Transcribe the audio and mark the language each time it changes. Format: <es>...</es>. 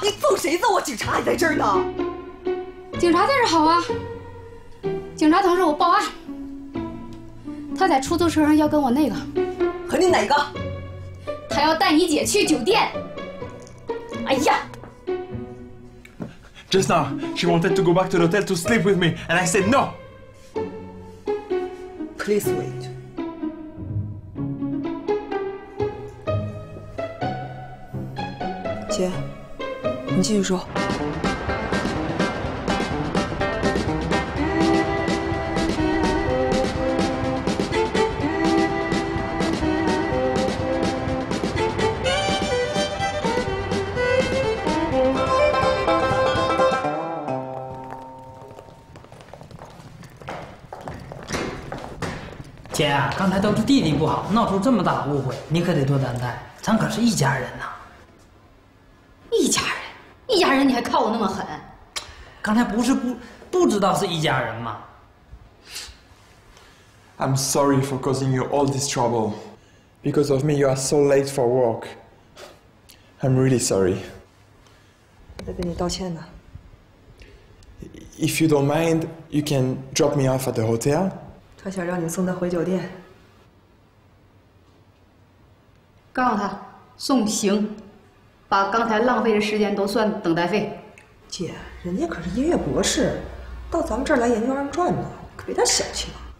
<zh>你揍谁揍我？警察还在这儿呢。警察在这儿好啊。警察同志，我报案。他在出租车上要跟我那个。和你哪个？他要带你姐去酒店。哎呀。</zh> <en>Just now, she wanted to go back to the hotel to sleep with me, and I said no. Please wait.</en> <zh>Jie, 你继续说。姐啊，刚才都是弟弟不好，闹出这么大误会，你可得多担待。咱可是一家人呐。一家人，一家人，你还靠我那么狠？刚才不是不知道是一家人吗</zh> <en>？I'm sorry for causing you all this trouble. Because of me, you are so late for work. I'm really sorry.</en> <zh>我在跟你道歉呢。</zh> <en>If you don't mind, you can drop me off at the hotel.</en> <zh>他想让你送他回酒店，告诉他送行，把刚才浪费的时间都算等待费。姐，人家可是音乐博士，到咱们这儿来研究二人转呢，可别太小气了。</zh>